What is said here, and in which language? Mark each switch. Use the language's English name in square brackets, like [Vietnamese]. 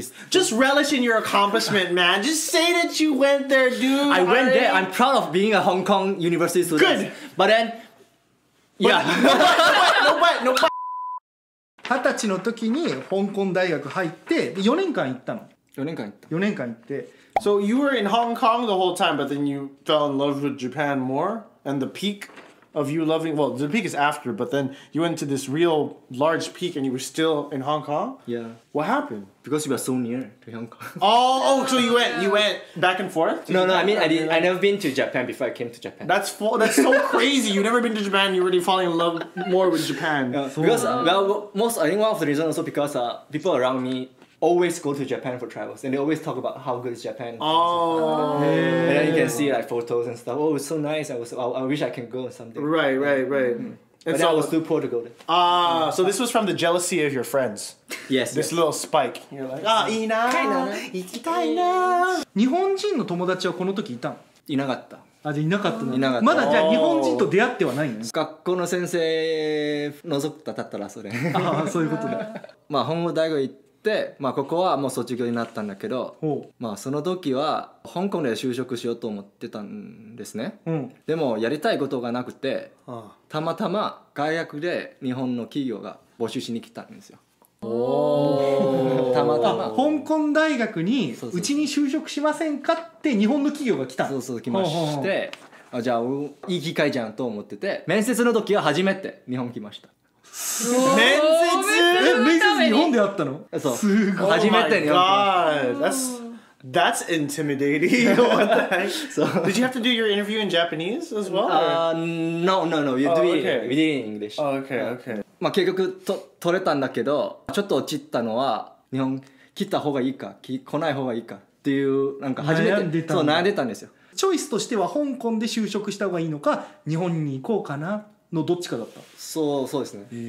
[English] Just relish in your accomplishment man Just say that you went there dude I went there I'm proud of being a Hong Kong university student Good But then but, Yeah No but [Japanese] 二十歳の時に香港大学入って4年間行ったの 4年間行った 4年間行って [English] So you were in Hong Kong the whole time but then you fell in love with Japan more and the peak of you loving well the peak is after but then you went to this real large peak and you were still in Hong Kong? Yeah What happened? Because you were so near to Hong Kong Oh so you went back and forth? No I mean I never been to Japan before I came to Japan That's so crazy you've never been to Japan you're already falling in love more with Japan yeah, Because I think one of the reasons also because people around me always go to Japan for travels and they always talk about how good is Japan Oh And then you can see like photos and stuff Oh it's so nice I wish I can go someday Right、mm-hmm. And but so, I was too poor to go there So this was from the jealousy of your friends Yes This little spike You're like Ah, [Japanese] いいな行きたいな日本人の友達はこの時いたのいなかったあ、じゃいなかったの、うん、いなかったまだじゃあ日本人と出会ってはないの学校の先生覗くたったらそれああ、そういうことだまあ本郷大学行ってまあここはもう卒業になったんだけどおまあその時は香港で就職しようと思ってたんですね、うん、でもやりたいことがなくてああたまたま外役で日本の企業が募集しに来たんですよおたまたま香港大学にうちに就職しませんかって日本の企業が来たそう来ましてほうほうほうじゃあいい機会じゃんと思ってて面接の時は初めて日本来ましたすごい面接面接日本で会ったのそうすごい初めて日本来ました [English] That's intimidating so, Did you have to do your interview in Japanese as well?、 No You do it We did it in English Okay [Japanese] まあ、結局取れたんだけどちょっと落ちたのは日本来た方がいいか来ない方がいいかっていうなんか初めて悩んでたんですよチョイスとしては香港で就職した方がいいのか日本に行こうかなのどっちかだったそうですね、